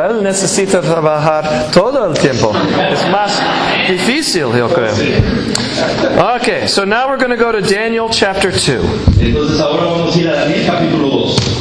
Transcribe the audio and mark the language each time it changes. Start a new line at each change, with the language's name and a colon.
Spanish: Él necesita trabajar todo el tiempo. Es más difícil, yo creo.
English: Okay, so now we're going to go to Daniel chapter 2.
Spanish: Entonces ahora vamos a ir a Daniel capítulo 2.